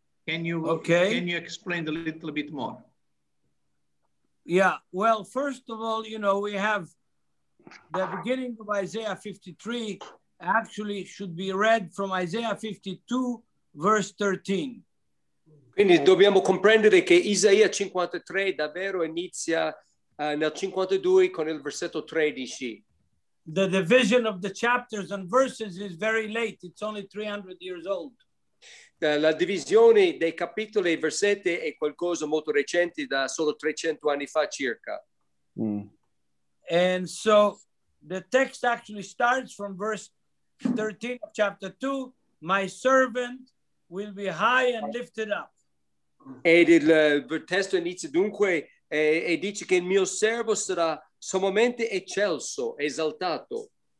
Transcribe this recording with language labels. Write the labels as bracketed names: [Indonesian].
[English] Can you explain a little bit more? Yeah, well, first of all, you know, we have the beginning of Isaiah 53 actually should be read from Isaiah 52, verse 13. [Italian] Quindi dobbiamo comprendere che Isaia 53 davvero inizia nel 52 con il versetto 13. [English] The division of the chapters and verses is very late. It's only 300 years old. [Italian] La divisione dei capitoli e versetti è qualcosa molto recente, da solo 300 anni fa circa. Mm. [English] And so the text actually starts from verse 13 of chapter 2. My servant will be high and lifted up. [Italian] Ed il testo inizia dunque e dice che il mio servo sarà sommamente eccelso, esaltato.